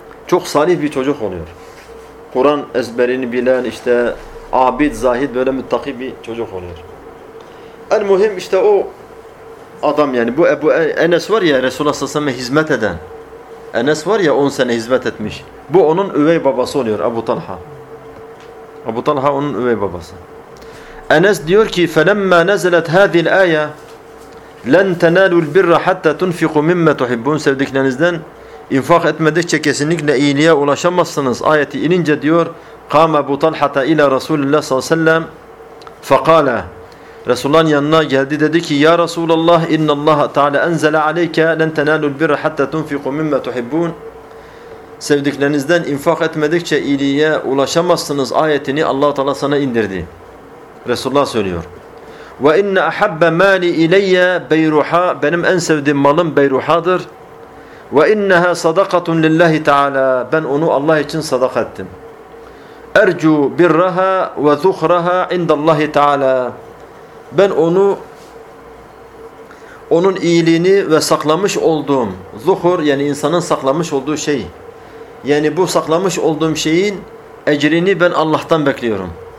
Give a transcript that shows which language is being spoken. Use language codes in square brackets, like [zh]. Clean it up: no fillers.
[tr] Çok salih bir çocuk oluyor. Kur'an ezberini bilen işte abid, zahid böyle müttaki bir çocuk oluyor. En mühim işte o adam yani bu Ebu Enes var ya Resulullah sallallahu aleyhi ve sellem'e hizmet eden. Enes var ya 10 sene hizmet etmiş. Bu onun üvey babası oluyor Ebu Talha. Ebu Talha onun üvey babası. Enes diyor ki [ar] فَلَمَّا نَزَلَتْ هَذِي الْآيَا لَنْ تَنَالُوا الْبِرَّ حَتَّى تُنْفِقُوا مِمَّ تُحِبُّونَ [tr] Sevdiklerinizden infak etmedikçe kesinlikle iyiliğe ulaşamazsınız. Ayeti inince diyor [ar] قَامَ أَبُو طَلْحَةَ إِلَى رَسُولِ اللّٰهِ صَلَّى سَلَّمَ فَقَالَ [tr] Resulullah'ın yanına geldi dedi ki [ar] يَا رَسُولَ اللّٰهِ اِنَّ اللّٰهَ تَعَلَى أَنْزَلَ عَلَيْكَ لَنْ تَنَالُوا الْبِرَّ حَتَّى تُنْفِقُوا مِمَّ تُحِبُّونَ [tr] Sevdiklerinizden infak etmedikçe iyiliğe ulaşamazsınız ayetini Allah-u Teala sana indirdi. Resulullah söylüyor. [ar] وَإِنَّ أَحَبَّ مَالِ إِلَيَّ بَيْرُحَا [tr] Benim en sevdiğim malım Beyruha'dır. [ar] وَإِنَّهَا صَدَقَةٌ لِلَّهِ تَعَالَى [tr] Ben onu Allah için sadaka ettim. [ar] اَرْجُوا بِرَّهَا وَذُخْرَهَا عِنْدَ اللّٰهِ تَعَالَى [tr] Ben onu onun iyiliğini ve saklamış olduğum zuhur yani insanın saklamış olduğu şey yani bu saklamış olduğum şeyin ecrini ben Allah'tan bekliyorum.